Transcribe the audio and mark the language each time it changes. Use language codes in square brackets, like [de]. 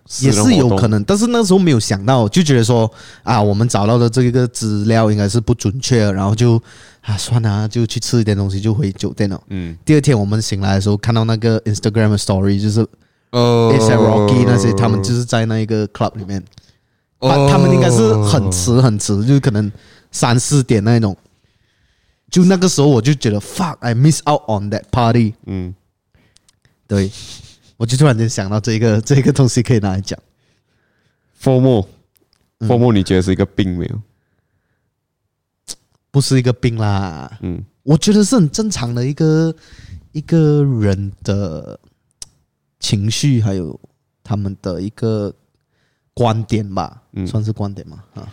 [zh] 也是有可能，但是那时候没有想到，就觉得说啊，我们找到的这个资料应该是不准确，然后就啊算了，就去吃一点东西就回酒店了。嗯，第二天我们醒来的时候，看到那个 Instagram story， 就是 [en] ASAP [zh] Rocky 那些，他们就是在那一个 club 里面，他们应该是很迟很迟，就可能三四点那种。就那个时候我就觉得 [en] fuck， I miss out on that party。 [zh] 嗯，对。我就突然间想到这个东西可以拿来讲。 FOMO 你觉得是一个病没有？不是一个病啦。嗯，我觉得是很正常的一个人的情绪，还有他们的一个观点吧，算是观点吗？